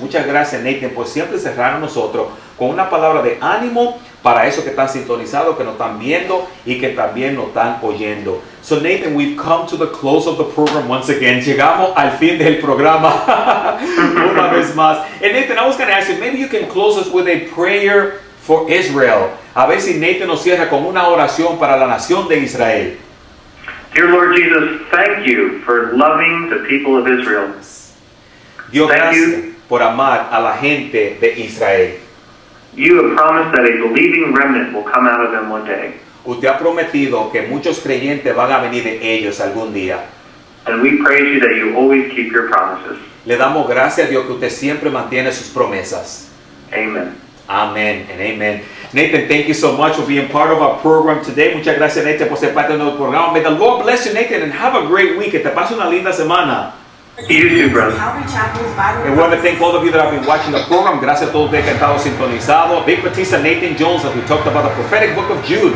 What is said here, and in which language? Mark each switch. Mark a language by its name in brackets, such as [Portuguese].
[Spanish] Muchas gracias, Nathan, por siempre cerrar a nosotros con una palabra de ánimo para esos que están sintonizados, que nos están viendo y que también nos están oyendo. [English] So Nathan, we've come to the close of the program once again. [Spanish] Llegamos al fin del programa una vez más. [English] And Nathan, I was going to ask you, maybe you can close us with a prayer for Israel. [Spanish] A ver si Nathan nos cierra con una oración para la nación de Israel. [English] Dear Lord Jesus, thank you for loving the people of Israel. [Spanish] Dios, [English] thank you [Spanish] por amar a la gente de Israel. [English] You have promised that a believing remnant will come out of them one day. [Spanish] Usted ha prometido que muchos creyentes van a venir de ellos algún día. [English] And we praise you that you always keep your promises. [Spanish] Le damos gracias a Dios que usted siempre mantiene sus promesas. [English] Amen. Amen and amen. Nathan, thank you so much for being part of our program today. [Spanish] Muchas gracias, Nathan, por ser parte del programa. [English] May the Lord bless you, Nathan, and have a great week. [Spanish] Que te pase una linda semana. [English] You too, brother. And we want to thank all of you that have been watching the program. [Spanish] Gracias a todos ustedes que han estado sintonizados. Vic Batista, Nathan Jones, [English] as we talked about the prophetic book of Jude.